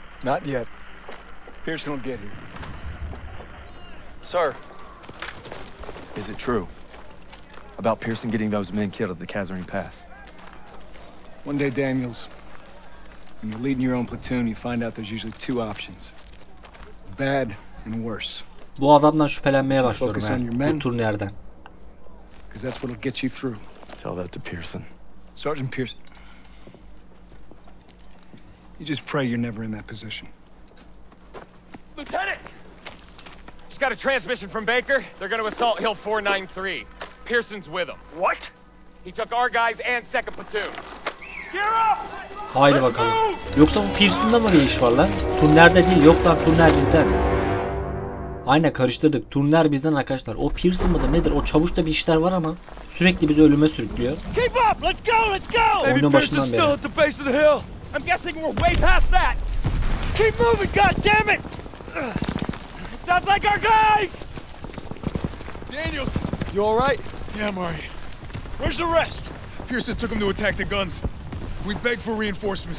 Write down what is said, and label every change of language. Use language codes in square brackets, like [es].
[en] Not yet. Pearson will get here. Sir. Is it true about Pearson getting those men killed at the Kazarine Pass? One day, Daniels, when you're leading your own platoon, you find out there's usually two options. Bad and worse. [tr] Bu adamdan şüphelenmeye başlıyorum ben. Bu turnerden. [en] Because that's what'll get you through. Tell that to Pearson. Sergeant Pearson. You just pray you're never in that position. Lieutenant! Just got a transmission from Baker. They're gonna assault Hill 493. Pearson's with them. What? He took our guys and second platoon. Gear up! [tr] Haydi bakalım. Yoksa bu Pearson'da mı bir iş var lan? Turnerde değil. Yok lan turner bizden. Aynen karıştırdık. Turner bizden arkadaşlar. O Pearson mı da nedir? O çavuşta bir işler var ama sürekli bizi ölüme sürüklüyor. [en] Keep up! Let's go! Let's go! [tr] Maybe onun başından beri. [en] Still at the base of the hill. I'm guessing we're way past that. Keep moving, goddammit! Sounds like our guys! Daniels! You alright? Yeah, I'm alright. Where's the rest? Pearson took him to attack the guns. We begged for reinforcements.